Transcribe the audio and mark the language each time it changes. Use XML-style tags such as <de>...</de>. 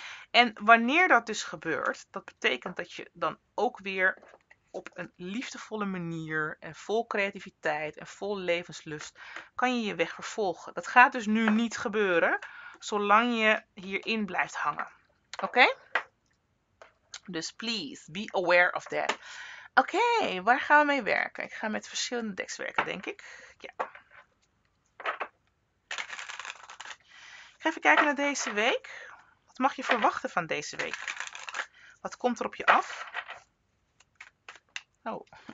<nl>En wanneer dat dus gebeurt, dat betekent dat je dan ook weer op een liefdevolle manier en vol creativiteit en vol levenslust kan je je weg vervolgen. Dat gaat dus nu niet gebeuren, zolang je hierin blijft hangen. Oké? Dus</nl> <en>please be aware of that.</en> <nl>Oké, waar gaan we mee werken? Ik ga met verschillende decks werken, denk ik. Ja. Ga even kijken naar deze week. Wat mag je verwachten van deze week? Wat komt er op je af? Oh.</nl>